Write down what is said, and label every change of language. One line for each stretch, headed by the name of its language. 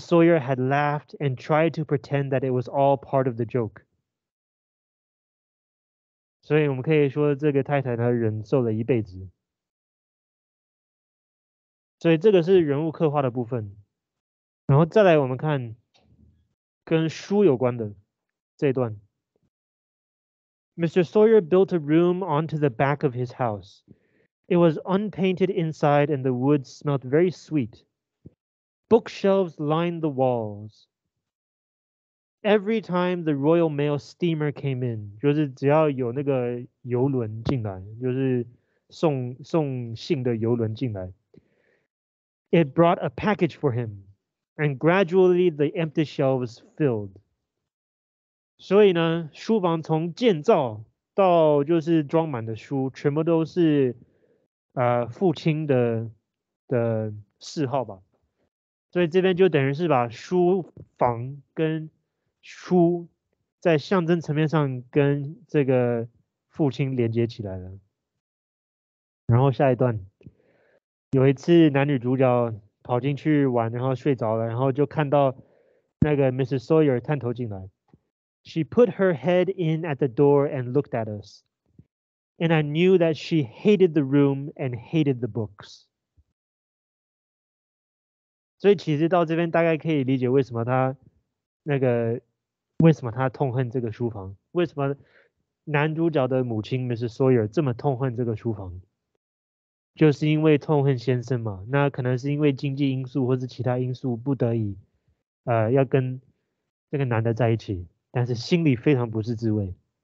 English: Sawyer had laughed and tried to pretend that it was all part of the joke.
Chinese: 所以我们可以说这个太太呢忍受了一辈子。所以这个是人物刻画的部分，然后再来我们看跟书有关的这一段。
English: Mr. Sawyer built a room onto the back of his house. It was unpainted inside and the wood smelled very sweet. Bookshelves lined the walls. Every time the Royal Mail steamer came in,
Chinese: 就是只要有那个邮轮进来，就是送信的邮轮进来。
English: It brought a package for him, and gradually the empty shelves filled.
Chinese: 所以呢，书房从建造到就是装满的书，全部都是父亲的嗜好吧。所以这边就等于是把书房跟书在象征层面上跟这个父亲连接起来了。然后下一段，有一次男女主角跑进去玩，然后睡着了，然后就看到那个 Mrs. Sawyer 探头进来。
English: She put her head in at the door and looked at us. And I knew that she hated the room and hated the books.
Chinese: 所以其实到这边大概可以理解为什么他那个为什么他痛恨这个书房，为什么男主角的母亲 Mrs. Sawyer 这么痛恨这个书房。就是因为痛恨先生嘛，那可能是因为经济因素或是其他因素不得已要跟这个男的在一起，但是心里非常不是滋味。